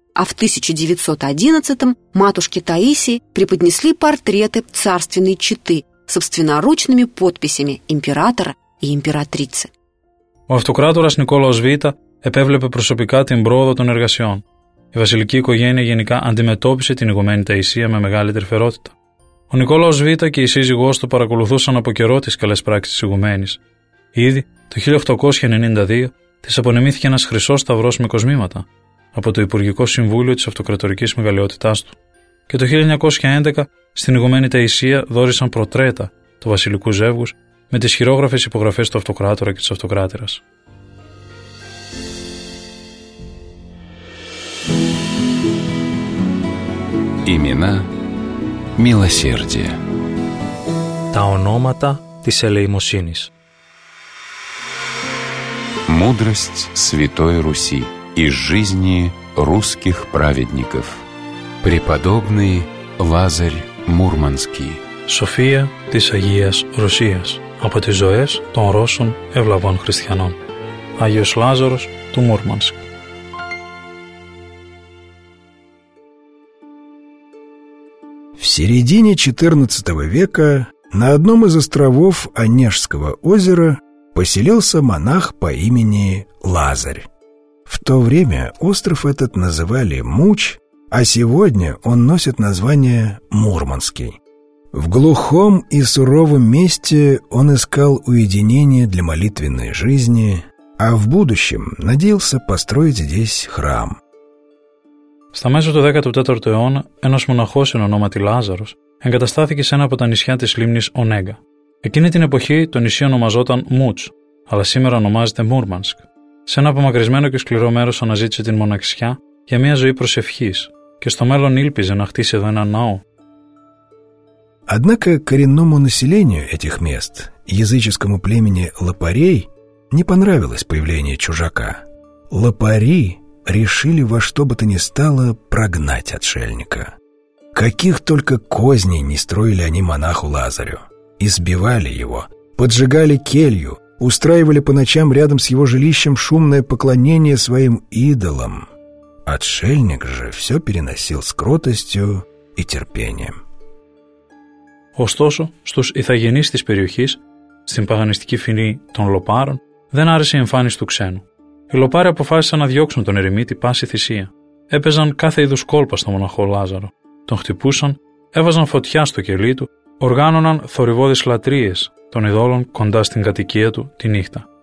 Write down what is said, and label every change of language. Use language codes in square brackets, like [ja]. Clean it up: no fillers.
[ru] А в 1911-м матушке Таисии преподнесли портреты царственной четы собственноручными подписями императора и императрицы. [el] Ο αυτοκράτορας Νικόλαος Β' επέβλεπε προσωπικά την πρόοδο των εργασιών. Η βασιλική οικογένεια γενικά αντιμετώπισε την ηγουμένη Ταϊσία με μεγαλύτερη φερότητα. Ο Νικόλαος Β' και η σύζυγός του παρακολουθούσαν από καιρό τις καλές πράξεις της ηγουμένης. Ήδη το 1892 της απονεμήθηκε ένας χρυσός σταυρός με κοσμήματα από το Υπουργικό Συμβούλιο της Αυτοκρατορικής Μεγαλειότητάς του. Και το 1911 στην ηγουμένη Ταϊσία δόρισαν προτρέτα του βασιλικού ζεύγους με τις χειρόγραφες υπογραφές του αυτοκράτορα και της αυτοκράτερας. [ru] Имена милосердия. [el] Τα ονόματα της ελεημοσύνης. [ru] Мудрость Святой Руси из жизни русских праведников. Преподобный Лазарь Мурманский. [el] София της Αγίας Ρωσίας. Από τις ζωές των Ρώσων ευλαβών χριστιανών. Άγιος Λάζαρος του Μούρμανσκ. [ru] В середине XIV века на одном из островов Онежского озера поселился монах по имени Лазарь. В то время остров этот называли Муч, а сегодня он носит название Мурманский. В глухом и суровом месте он искал уединение для молитвенной жизни, а в будущем надеялся построить здесь храм. [el] Στα μέσα του 14ου αιώνα, ένας μοναχός εν ονόματι Λάζαρος εγκαταστάθηκε σε ένα από τα νησιά της λίμνης Ονέγκα. Εκείνη την εποχή το νησί ονομαζόταν Μούτς, αλλά σήμερα ονομάζεται Μούρμανσκ. Σε ένα απομακρυσμένο και σκληρό μέρος αναζήτησε την μοναξιά για μια ζωή προσευχής και στο μέλλον ήλπιζε να χτίσει εδώ ένα ναό. [ru] Однако коренному населению этих мест, языческому племени лопарей, не понравилось появление чужака. Лопари решили во что бы то ни стало прогнать отшельника. Каких только козней не строили они монаху Лазарю. Избивали его, поджигали келью, устраивали по ночам рядом с его жилищем шумное поклонение своим идолам. Отшельник же все переносил с кротостью и терпением. [el] Ωστόσο, στους ιθαγενείς της περιοχής, στην παγανιστική φυνή των Λοπάρων, δεν άρεσε η εμφάνιση του ξένου. Οι Λοπάροι αποφάσισαν να διώξουν τον ερημίτη πάση θυσία. Έπαιζαν κάθε είδους κόλπα στο μοναχό Λάζαρο. Τον χτυπούσαν, έβαζαν φωτιά στο κελί του, οργάνωναν θορυβώδεις λατρείες των ειδώλων κοντά στην κατοικία του τη νύχτα.